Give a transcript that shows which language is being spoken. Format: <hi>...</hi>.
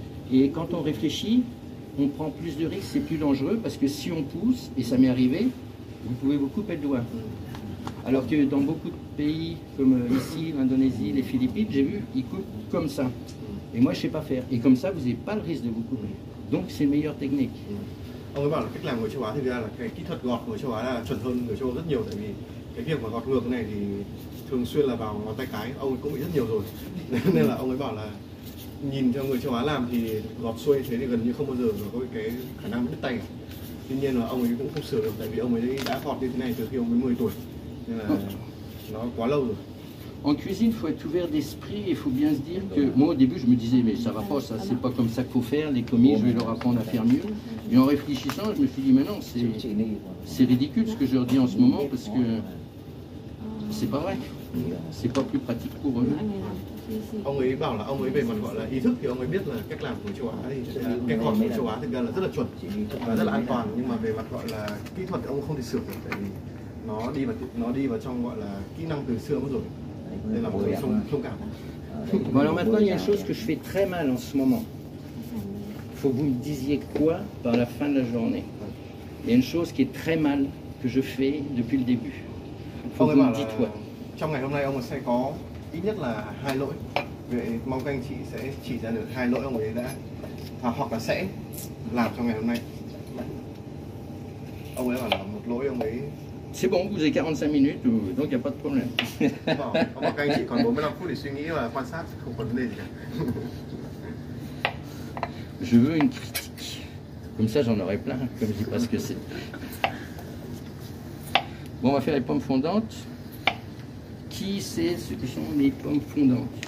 <fr>Et quand on réfléchit, on prend plus de risques, c'est plus dangereux, parce que si on pousse, et ça m'est arrivé, vous pouvez vous couper le doigt. Alors que dans beaucoup de pays, comme ici, l'Indonésie, les Philippines, j'ai vu, ils coupent comme ça. Et moi, je ne sais pas faire. Et comme ça, vous n'avez pas le risque de vous couper. Donc, c'est une meilleure technique.</fr> <vi>Ông ấy bảo là cách làm của châu Á thì ra là cái kỹ thuật gọt của châu Á là chuẩn hơn người châu Âu rất nhiều, tại vì cái việc mà gọt ngược này thì thường xuyên là vào ngón tay cái, ông ấy cũng bị rất nhiều rồi. Nên là ông ấy bảo là nhìn cho người châu Á làm thì gọt xuôi thế thì gần như không bao giờ có cái khả năng đứt tay. Tuy nhiên là ông ấy cũng không sửa được, tại vì ông ấy đã gọt như thế này từ khi ông mới 10 tuổi. Nên là nó quá lâu rồi.</vi> <fr>En cuisine, il faut être ouvert d'esprit et il faut bien se dire que... Moi, au début, je me disais, mais ça va pas, ça, c'est pas comme ça qu'il faut faire, les commis, je vais leur apprendre à faire mieux. Et en réfléchissant, je me suis dit, mais non, c'est ridicule ce que je leur dis en ce moment, parce que c'est pas vrai. C'est pas plus pratique pour eux.</fr> <vi>Ông ấy bảo là ông ấy về mặt gọi là ý thức thì ông ấy biết là cách làm của châu Á thì cách gọt của châu Á thực ra là rất là chuẩn và rất là an toàn, nhưng mà về mặt gọi là kỹ thuật thì ông không thể sửa được, tại vì nó đi vào trong gọi là kỹ năng từ xưa mất rồi, nên là mọi người thông cảm.</vi> <fr>Bon, alors maintenant il y a une chose que je fais très mal en ce moment. Faut que vous me disiez quoi par la fin de la journée. Il y a une chose qui est très mal que je fais depuis le début. Faut que vous me dites quoi.</fr> <vi>Trong ngày hôm nay ông ấy sẽ có ít nhất là 2 lỗi. Vậy mong các anh chị sẽ chỉ ra được 2 lỗi ông ấy đã hoặc là sẽ làm trong ngày hôm nay. Ông ấy bảo là một lỗi ông ấy.</vi> <fr>C'est bon, vous avez 45 minutes, donc il n'y a pas de problème.</fr> <vi>Bon, các anh chị còn 45 phút để suy nghĩ và quan sát, không có vấn đề gì cả.</vi> <fr>Je veux une critique. Comme ça, j'en aurai plein, comme je dis pas ce que c'est. Bon, on va faire les pommes fondantes. Qui sait ce que sont les pommes fondantes?</fr>